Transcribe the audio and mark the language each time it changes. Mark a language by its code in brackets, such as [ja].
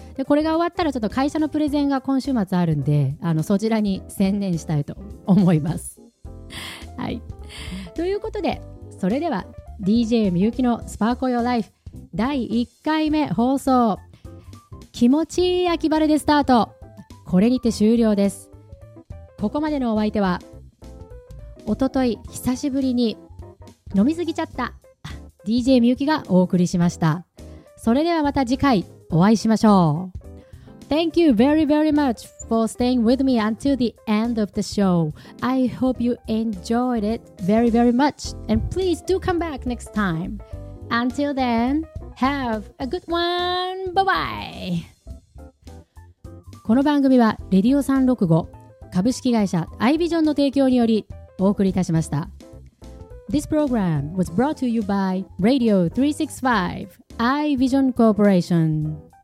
[ja] でこれが終わったらちょっと会社のプレゼンが今週末あるんで、あのそちらに専念したいと思いますはい、ということでそれでは DJ みゆきのスパークヨーライフ第1回目放送、気持ちいい秋晴れでスタート、これにて終了です。ここまでのお相手は、おととい久しぶりに飲みすぎちゃった DJ みゆきがお送りしました。それではまた次回お会いしましょう。 [en] Thank you very very much for staying with me until the end of the show. I hope you enjoyed it very very much and please do come back next time. Until then, have a good one. Bye bye. [ja] この番組はレディオ365株式会社アイビジョンの提供によりお送りいたしました。 [en] This program was brought to you by Radio 365 iVision Corporation。